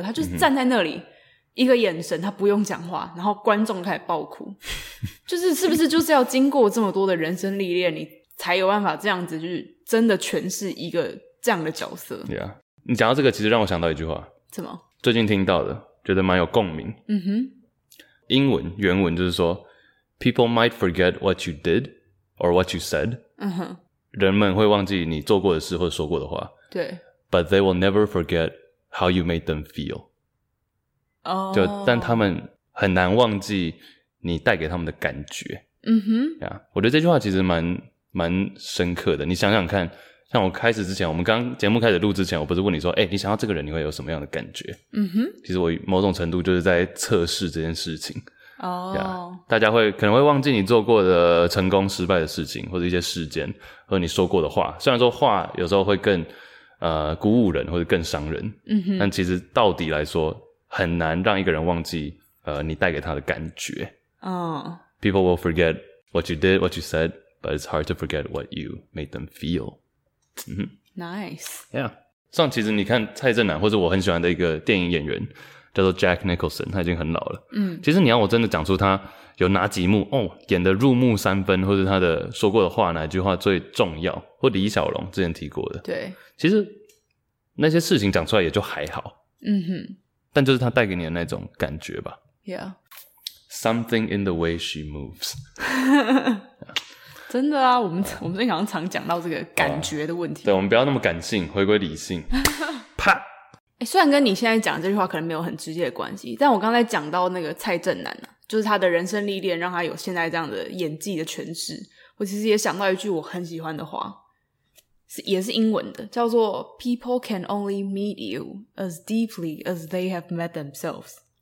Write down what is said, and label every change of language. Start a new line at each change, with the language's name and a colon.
Chinese: 他就是站在那里，嗯、一个眼神，他不用讲话，然后观众开始爆哭，是不是要经过这么多的人生历练，你才有办法这样子，就是真的诠释一个这样的角色。 Yeah, 你讲到这个，其实让我想到一句话，什么？最近听到的，觉得蛮有共鸣。嗯哼。英文原文就是说
English: People might forget what you did or what you said. 嗯哼。
Chinese: 人们会忘记你做过的事或说过的话。对。
English: But they will never forget how you made them feel. 哦。
Chinese: 就但他们很难忘记你带给他们的感觉。嗯哼。 Yeah, 我觉得这句话其实蛮深刻的。你想想看，像我开始之前，我们刚节目开始录之前，我不是问你说，欸，你想到这个人你会有什么样的感觉？嗯哼。其实我某种程度就是在测试这件事情。哦、yeah, 大家会可能会忘记你做过的成功失败的事情或者一些事件或者你说过的话，虽然说话有时候会更鼓舞人或者更伤人、嗯、但其实到底来说很难让一个人忘记你带给他的感觉、哦、
English: People will forget what you did, what you said, but it's hard to forget what you made them feel. Nice. Yeah.
Chinese: 像其实你看蔡正南或者我很喜欢的一个电影演员叫做 Jack Nicholson, 他已经很老了。嗯，其实你要我真的讲出他有哪几幕哦演得入木三分，或者他的说过的话哪句话最重要，或李小龙之前提过的。对。其实那些事情讲出来也就还好。嗯哼。但就是他带给你的那种感觉吧。
English: Yeah. Something in the way she moves.
Chinese: 真的啊，我们最近好像常讲到这个感觉的问题。对，我们不要那么感性，回归理性。啪。欸、虽然跟你现在讲这句话可能没有很直接的关系，但我刚才讲到那个蔡正南、啊、就是他的人生历练让他有现在这样的演技的诠释，我其实也想到一句我很喜欢的话，是也是英文的，叫做
English: People can only meet you as deeply as they have met themselves.